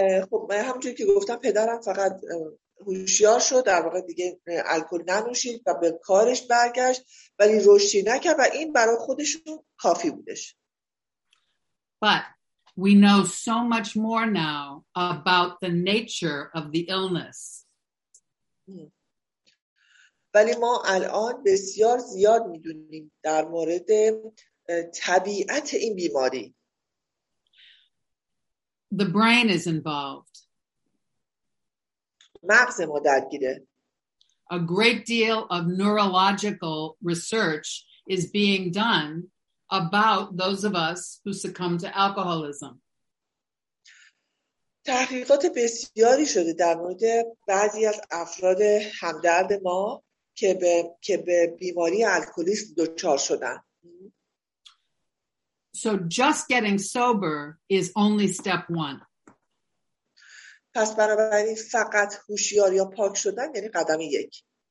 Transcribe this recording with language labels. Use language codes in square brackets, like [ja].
[fa] خب همونجوری که گفتم پدرم فقط هوشیار شد، در واقع دیگه الکل ننوشید و به کارش برگشت، ولی رشدی نکرد و این برای خودشون کافی بودش. [en] But we know so much more now about the nature of the illness. [fa] ولی ما الان بسیار زیاد میدونیم در مورد طبیعت این بیماری. [en] The brain is involved. [fa] مغز ما درگیره. [en] A great deal of neurological research is being done about those of us who succumb to alcoholism. [fa] تحقیقات بسیاری شده در مورد بعضی از افراد همدرد ما که به بیماری الکلیسم دچار شدن. [en] So just getting sober is only step 1. [fa] پس بنابراین فقط هوشیار یا پاک شدن یعنی قدم 1.